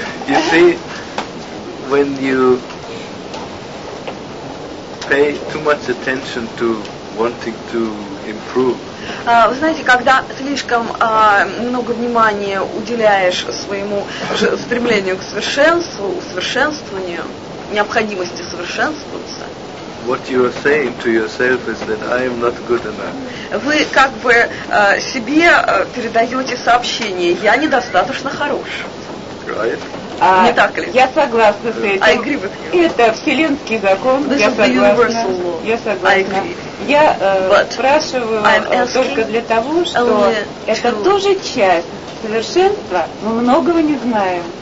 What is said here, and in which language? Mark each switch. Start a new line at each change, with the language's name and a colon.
English: You see, when you pay too much attention to wanting to improve.
Russian: Вы знаете, когда слишком много внимания уделяешь своему стремлению к совершенству, усовершенствованию, необходимости совершенствоваться,
English: what you are saying to yourself is that I am not good enough.
Russian: Вы как бы себе передаете сообщение, я недостаточно хорош.
English: Right?
Russian: Не так ли? Я согласна с этим.
English: I agree with you.
Russian: Это вселенский закон.
English: This is the universal law.
Russian: Я согласна.
English: I agree.
Russian: Я спрашиваю только для того, что это тоже часть совершенства, мы многого не знаем.